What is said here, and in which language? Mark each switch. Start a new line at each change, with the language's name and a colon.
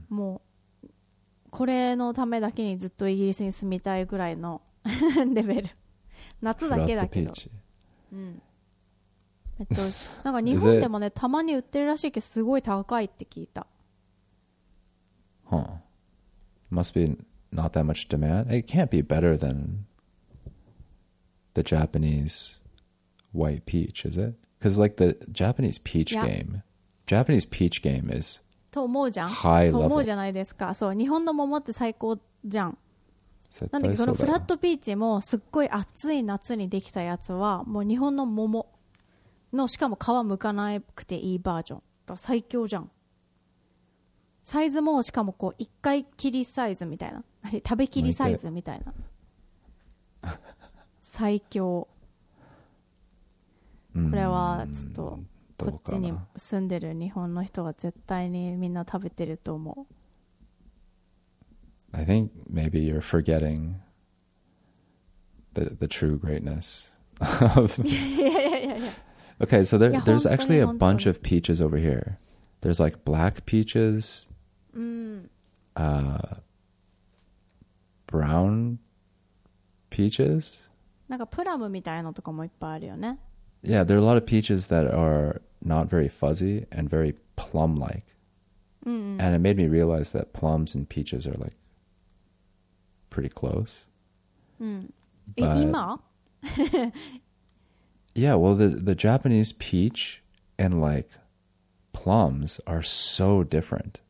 Japanese: もうこれのためだけにずっとイギリスに住みたいぐらいのレベル。夏だけだけど。
English: Peach.
Japanese: うん。めっちゃ美味しい。なんか日本でもね、たまに売ってるらしいけど、すごい高いって聞いた。
English: Huh. Must be. Not that much demand. It can't be better than the Japanese white peach, is it? Because like the Japanese peach game, Japanese peach game is
Japanese: と思うじゃん。
English: high level.
Japanese: と思うじゃないですか。そう、日本の桃って最高じゃん。絶対そうだ。なんでこのフラットピーチもすっごい暑い夏にできたやつはもう日本の桃のしかも皮むかなくていいバージョン。だから最強じゃん。サイズもしかもこう一回切りサイズみたいな、何食べ切りサイズみたいな、最強。これはちょっとこっちに住んでる日本の人は絶対にみんな食べてると思う。
English: I think maybe you're forgetting the true greatness of Okay, so there's actually a bunch of peaches over here. There's like black peachesBrown peaches?
Japanese: なんかプラムみたいなのとかもいっぱいあるよね。
English: Yeah, there are a lot of peaches that are not very fuzzy and very plum-like. And it made me realize that plums and peaches are like pretty close. But,
Japanese: 今?
English: yeah, well, the Japanese peach and like plums are so different.